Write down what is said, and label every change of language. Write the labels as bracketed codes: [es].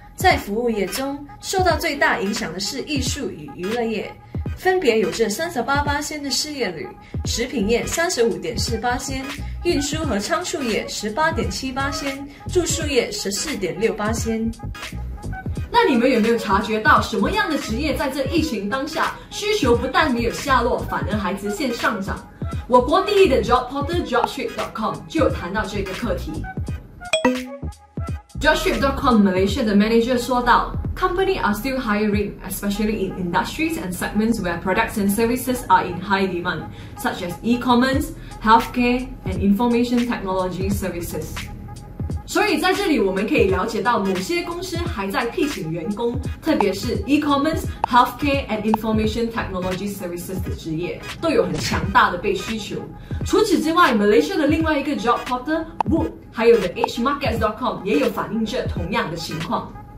[zh] 在服务业中，受到最大影响的是艺术与娱乐业，分别有着38%的失业率，食品业35.4%，运输和仓储业18.7%，住宿业14.6%。那你们有没有察觉到什么样的职业在这疫情当下需求不但没有下落，反而还直线上涨？我国第一的 jobportal jobstreet.com 就有谈到这个课题。 [en] jobstreet.com Malaysia 的 manager [zh] 说道， [en] Companies are still hiring, especially in industries and segments where products and services are in high demand, such as e-commerce, healthcare, and information technology services. [zh] 所以在这里我们可以了解到某些公司还在聘请员工，特别是 [en] e-commerce, healthcare, and information technology services [zh] 的职业都有很强大的被需求。除此之外， Malaysia 的另外一个 job portal, Wood, 还有 TheHMarkets.com 也有反映着同样的情况。